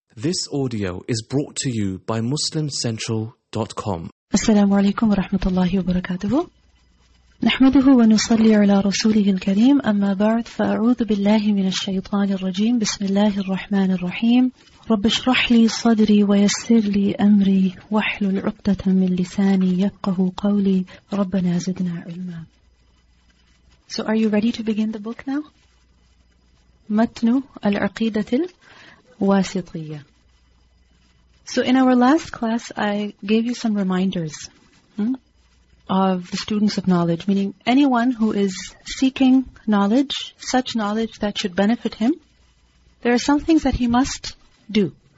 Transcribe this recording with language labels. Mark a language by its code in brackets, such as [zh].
[en] This audio is brought to you by MuslimCentral.com. [ar] السلام عليكم ورحمة الله وبركاته. نحمده ونصلي على رسوله الكريم. أما بعد، فأعوذ بالله من الشيطان الرجيم. بسم الله الرحمن الرحيم. رب اشرح لي صدري ويسر لي أمري واحلل عقدة من لساني يفقهوا قولي ربنا زدنا علما. [en] So are you ready to begin the book now? [ar] متن العقيدة الواسطية. [en] So in our last class, I gave you some reminders of the students of knowledge, meaning anyone who is seeking knowledge, such knowledge that should benefit him, there are some things that he must do.